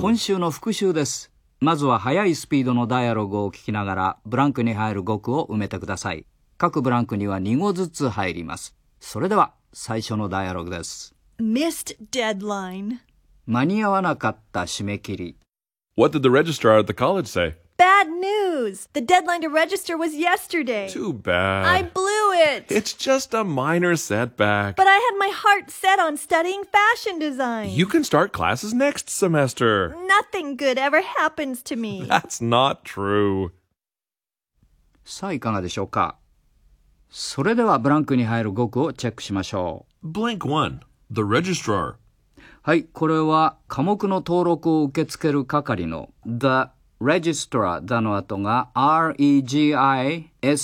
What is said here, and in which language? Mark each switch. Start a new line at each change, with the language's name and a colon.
Japanese: 今週の復習です。まずは速いスピードのダイアログを聞きながらブランクに入る語句を埋めてください。各ブランクには2語ずつ入ります。それでは最初のダイアログです。
English: Missed deadline
Japanese: 間に合わなかった締め切り。
English: What did the registrar at the college say? Bad news! The deadline to register was yesterday. Too bad. I blew it! It's just a minor setback. But I had my heart set on studying fashion design. You can start classes next semester. Nothing good ever happens to me. That's not true.
Japanese: さあ、いかがでしょうか?それではブランクに入る語句をチェックしましょう。
English: Blank 1. The registrar.
Japanese: はい、これは科目の登録を受け付ける係の The Registrar だの後が R-E-G-I-S-T-R-A-R